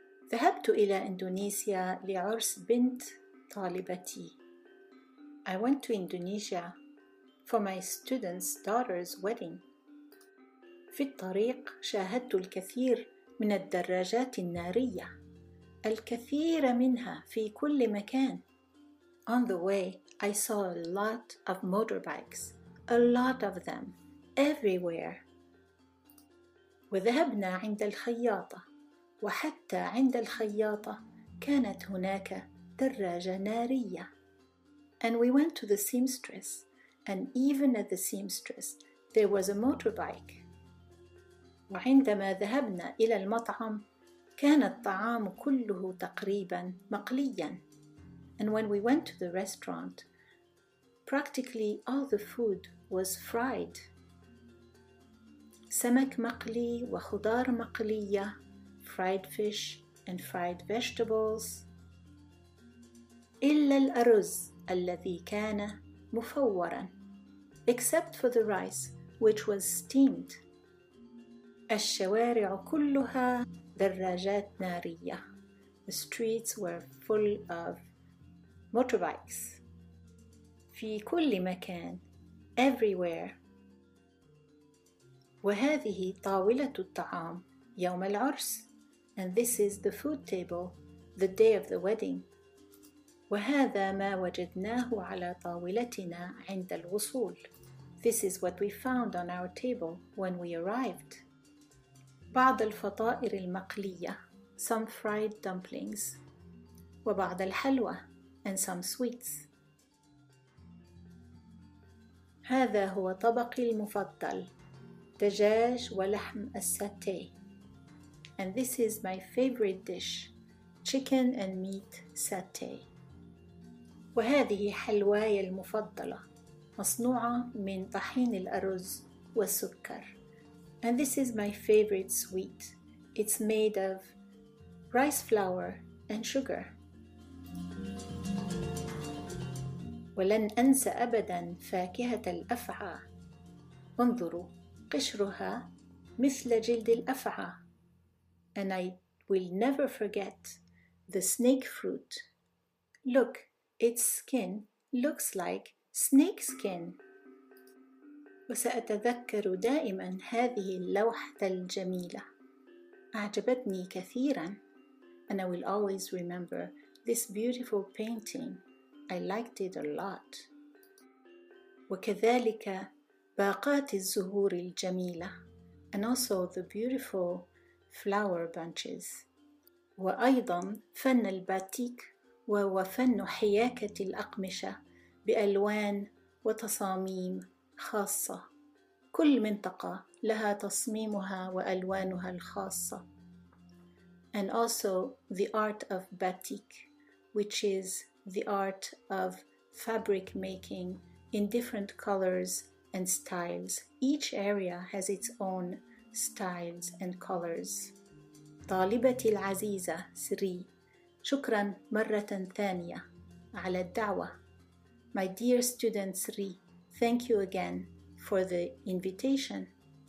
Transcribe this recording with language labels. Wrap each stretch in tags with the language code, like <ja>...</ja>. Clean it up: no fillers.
<ar>ذهبت إلى إندونيسيا لعرس بنت طالبتي.</ar> <en>I went to Indonesia for my student's daughter's wedding.</en> <ar>في الطريق شاهدت الكثير من الدراجات النارية. الكثير منها في كل مكان.</ar> <en>On the way, I saw a lot of motorbikes. A lot of them. Everywhere.</en> <ar>وذهبنا عند الخياطة. وحتى عند الخياطة كانت هناك دراجة نارية.</ar> <en>And we went to the seamstress. And even at the seamstress, there was a motorbike.</en> <ar>وعندما ذهبنا إلى المطعم، كان الطعام كله تقريباً مقلياً.</ar> <en>And when we went to the restaurant, practically all the food was fried.</en> <ar>سمك مقلي وخضار مقلية،</ar> <en>fried fish and fried vegetables.</en> <ar>إلا الأرز الذي كان مفوراً.</ar> <en>Except for the rice, which was steamed.</en> <ar>الشوارع كلها دراجات نارية.</ar> <en>The streets were full of motorbikes.</en> <ar>في كل مكان.</ar> <en>Everywhere.</en> <ar>وهذه طاولة الطعام يوم العرس.</ar> <en>And this is the food table, the day of the wedding.</en> <ar>وهذا ما وجدناه على طاولتنا عند الوصول.</ar> <en>This is what we found on our table when we arrived.</en> <ar>بعض الفطائر المقلية,</ar> <en>some fried dumplings,</en> <ar>وبعض الحلوى,</ar> <en>and some sweets.</en> <ar>هذا هو طبقي المفضل, دجاج ولحم الساتي.</ar> <en>And this is my favorite dish, chicken and meat satay.</en> <ar>وهذه حلواي المفضلة, مصنوعة من طحين الأرز والسكر.</ar> <en>And this is my favorite sweet. It's made of rice flour and sugar.</en> <ar>ولن أنسى أبداً فاكهة الأفعى. انظروا, قشرها مثل جلد الأفعى.</ar> <en>And I will never forget the snake fruit. Look, its skin looks like snake skin.</en> <ar>وسأتذكر دائما هذه اللوحة الجميلة. أعجبتني كثيرا.</ar> <en>And I will always remember this beautiful painting. I liked it a lot.</en> <ar>وكذلك باقات الزهور الجميلة.</ar> <en>And also the beautiful flower bunches.</en> <ar>وأيضا فن الباتيك وفن حياكة الأقمشة بألوان وتصاميم خاصة. كل منطقة لها تصميمها وألوانها الخاصة.</ar> <en>And also the art of batik, which is the art of fabric making in different colors and styles. Each area has its own styles and colors.</en> <ar>طالبتي العزيزة سري, شكرا مرة ثانية على الدعوة.</ar> <en>My dear student Sri, thank you again for the invitation.</en>